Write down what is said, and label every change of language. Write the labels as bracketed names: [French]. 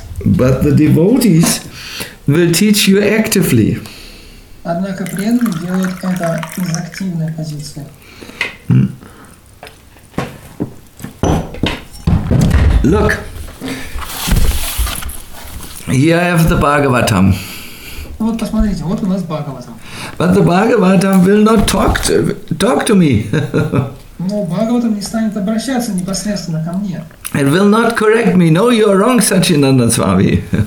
[English] But the devotees will teach you actively. [Russian] Однако преданные делают это из активной позиции. [English] Look. Here I have the Bhagavatam. [Russian] Вот посмотрите, вот у нас Бхагаватам. [English] But the Bhagavatam will not talk to me. [Russian] Но Бхагаватам не станет обращаться непосредственно ко мне. [English] It will not correct me. No, you are wrong, Сачинанда Свами.